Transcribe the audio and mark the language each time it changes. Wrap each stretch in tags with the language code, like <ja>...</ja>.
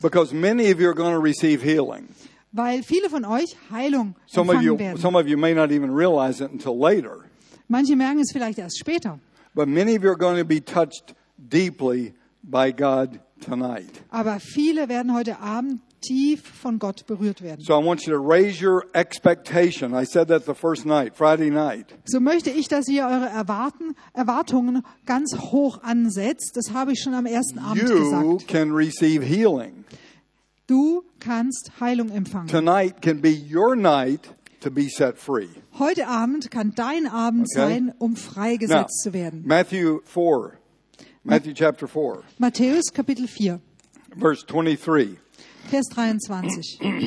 <en>Because many of you are going to receive healing.</en> <de>Weil viele von euch Heilung empfangen werden.</de> <en>Some of you may not even realize it until later.</en> <de>Manche merken es vielleicht erst später.</de> <en>But many of you are going to be touched deeply by God tonight.</en> <de>Aber viele werden heute Abend tief von Gott berührt werden.</de> <en>So I want you to raise your expectation. I said that the first night, Friday night.</en> <de>So möchte ich, dass ihr eure Erwartungen ganz hoch ansetzt. Das habe ich schon am ersten Abend you gesagt.</de> <en>You can receive healing.</en> <de>Du kannst Heilung empfangen.</de> <en>Tonight can be your night to be set free.</en> <de>Heute Abend kann dein Abend sein, um freigesetzt zu werden.</de> <en>Matthew chapter 4.</en> <de>Matthäus Kapitel 4.</de> <en>Verse 23.</en> <de>Vers 23.</de>